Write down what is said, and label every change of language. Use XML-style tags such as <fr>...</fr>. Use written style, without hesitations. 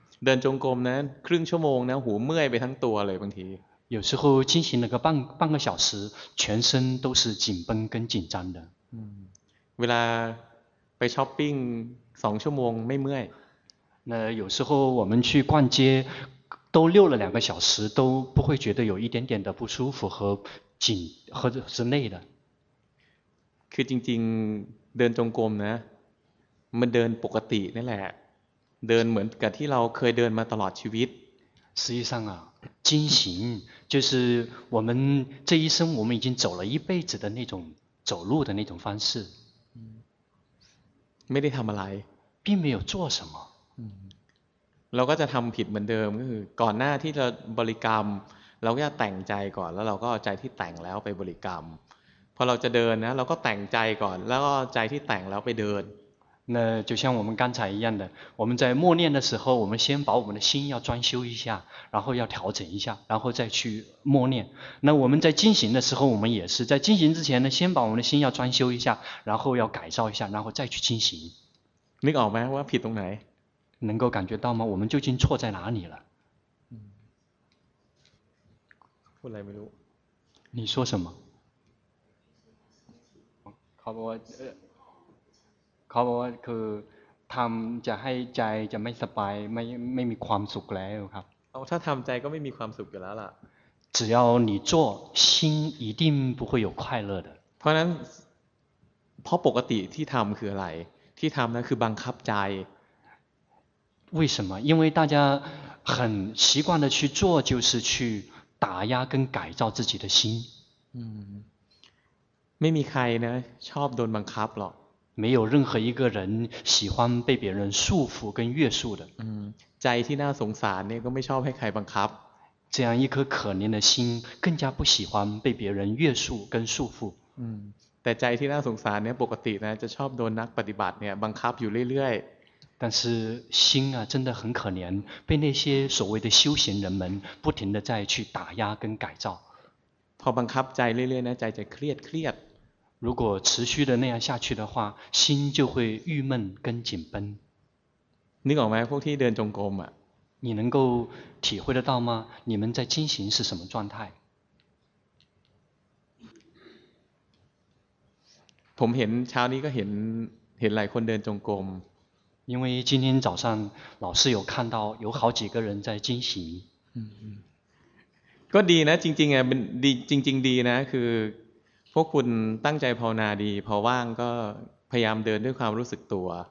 <th>เดินจงกรมนะครึ่งชั่วโมงนะหูเมื่อยไปทั้งตัวเลยบางที</th> <zh>有时候进行了个半个小时全身都是紧绷跟紧张的</zh> <th>เวลาไปช้อปปิ้ง2ชั่วโมงไม่เมื่อย</th> <zh>那有时候我们去逛街都溜了两个小时都不会觉得有一点点的不舒服和紧或者是累的</zh> <th>คือจริงๆเดินจงกรมนะมันเดินปกตินี่แหละเดินเหมือนกับที่เราเคยเดินมาตลอดชีวิต</th> <zh>实际上啊进行就是我们这一生我们已经走了一辈子的那种走路的那种方式</zh> <th>ไม่ได้ทำอะไร</th> <zh>并没有做什么</zh> <th>เราก็จะทำผิดเหมือนเดิมก็คือก่อนหน้าที่จะบริกรรมเราก็จะแต่งใจก่อนแล้วเราก็เอาใจที่แต่งแล้วไปบริกรรมพอเราจะเดินนะเราก็แต่งใจก่อนแล้วก็ใจที่แต่งแล้วไปเดิน</th> <zh>那就像我们刚才一样的我们在默念的时候我们先把我们的心要装修一下然后要调整一下然后再去默念那我们在进行的时候我们也是在进行之前呢先把我们的心要装修一下然后要改造一下然后再去进行</zh> <th>นึกออกไหมว่าผิดตรงไหน</th> <zh>能够感觉到吗我们究竟错在哪里了后来没有你说什么</zh> <th>เขาบอกว่าคือทำจะให้ใจจะไม่สบายไม่มีความสุขแล้วครับ ถ้าทำใจก็ไม่มีความสุขอยู่แล้วล่ะ</th> <zh>只要你做心一定不会有快乐的</zh> <th>เพราะนั้นเพราะปกติที่ทำคืออะไรที่ทำนั้นคือบังคับใจ</th> <zh>为什么因为大家很习惯的去做就是去打压跟改造自己的心</zh> <th>ไม่มีใครนะชอบโดนบังคับหรอก</th> <zh>没有任何一个人喜欢被别人束缚跟约束的</zh> <th>ใจที่น่าสงสารเนี่ยก็ไม่ชอบให้ใครบังคับ</th> <zh>这样一颗可怜的心更加不喜欢被别人约束跟束缚</zh> <th>แต่ใจที่น่าสงสารเนี่ยปกตินะจะชอบโดนนักปฏิบัติเนี่ยบังคับอยู่เรื่อย</th> <zh>但是心啊真的很可怜被那些所谓的修行人们不停的在去打压跟改造</zh> <th>พอบังคับใจเรื่อยๆนะใจจะเครียด</th> <zh>如果持续的那样下去的话心就会郁闷跟紧绷</zh> <th>นึกออกไหมพวกที่เดินจงกรมอ่ะ</th> <zh>你能够体会得到吗你们在进行是什么状态</zh> <th>ผมเห็นเช้านี้ก็เห็นหลายคนเดินจงกรม</th> <zh>因为今天早上老师有看到有好几个人在进行</zh> <th>ก็ดีนะจริงๆอ่ะมันดีจริงๆดีนะคือพวกคุณตั้งใจภาวนาดีพอว่างก็พยายามเดินด้วยความรู้สึกตัว</th>